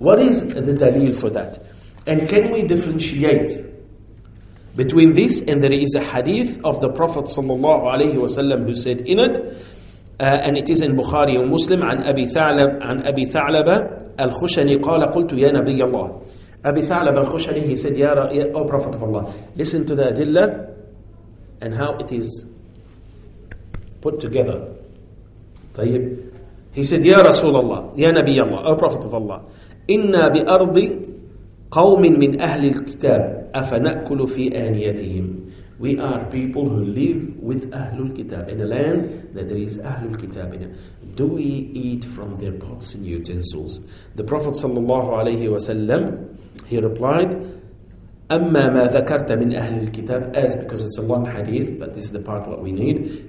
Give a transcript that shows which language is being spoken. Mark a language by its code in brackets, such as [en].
[en] What is the dalil for that? And can we differentiate between this, and there is a hadith of the Prophet sallallahu alaihi wasallam who said in it, and it is in Bukhari and Muslim, [ar] عن أبي ثعلب الخشني قال قلت يا نبي الله. [en] أبي ثعلب الخشني, he said, O Prophet of Allah, listen to the adilla and how it is put together. [ar] طيب. [en] He said, [ar] يا رسول الله, يا نبي الله, [en] O Prophet of Allah, [ar] إنا بأرض قوم من أهل الكتاب أفنأكل في آنيتهم. [en] We are people who live with Ahlul Kitab, in a land that there is Ahlul Kitab in it. Do we eat from their pots and utensils? The Prophet sallallahu alayhi wa sallam, he replied, [ar] أَمَّا مَا ذَكَرْتَ مِنْ أَهْلِ الْكِتَابِ, [en] as, because it's a long hadith, but this is the part what we need.